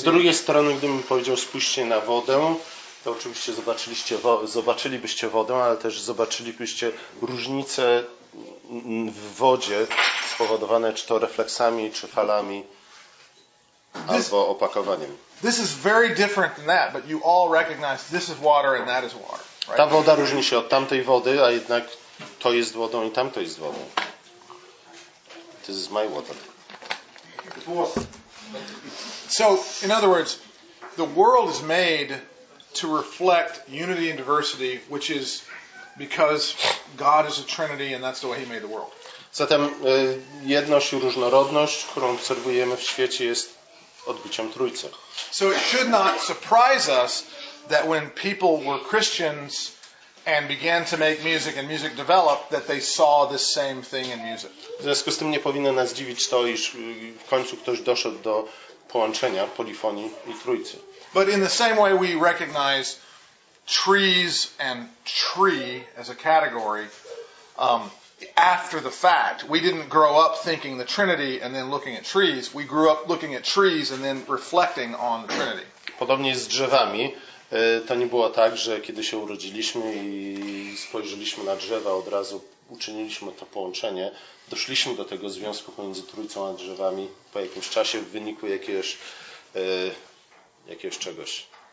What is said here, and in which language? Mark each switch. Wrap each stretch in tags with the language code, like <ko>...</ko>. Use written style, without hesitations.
<pl>Z drugiej strony, gdybym powiedział spójrzcie na wodę, to oczywiście zobaczylibyście wodę, ale też zobaczylibyście różnice w wodzie spowodowane czy to refleksami, czy falami, albo opakowaniem.</pl> <en>This is very different than that, but you all recognize this is water and that is water. Right?</en> <pl>Ta woda różni się od tamtej wody, a jednak to jest wodą i tamto jest wodą.</pl> <en>This is my water. So, in other words, the world is made to reflect unity and diversity, which is because God is a Trinity and that's the way He made the world.</en> <pl>Zatem jedność i różnorodność, którą obserwujemy w świecie, jest odbiciem Trójcy.</pl> <en>So it should not surprise us that when people were Christians and began to make music and music developed, that they saw the same thing in music.</en> <pl>W związku z tym nie powinno nas dziwić to, iż w końcu ktoś doszedł do połączenia polifonii i Trójcy.</pl> <en>But in the same way we recognize trees and tree as a category after the fact. We didn't grow up thinking the Trinity and then looking at trees. We grew up looking at trees and then reflecting on the Trinity.</en> <pl>Podobnie jest z drzewami. To nie było tak, że kiedy się urodziliśmy i spojrzeliśmy na drzewa, od razu uczyniliśmy to połączenie. Doszliśmy do tego związku pomiędzy Trójcą a drzewami po jakimś czasie w wyniku jakiegoś czegoś.</pl>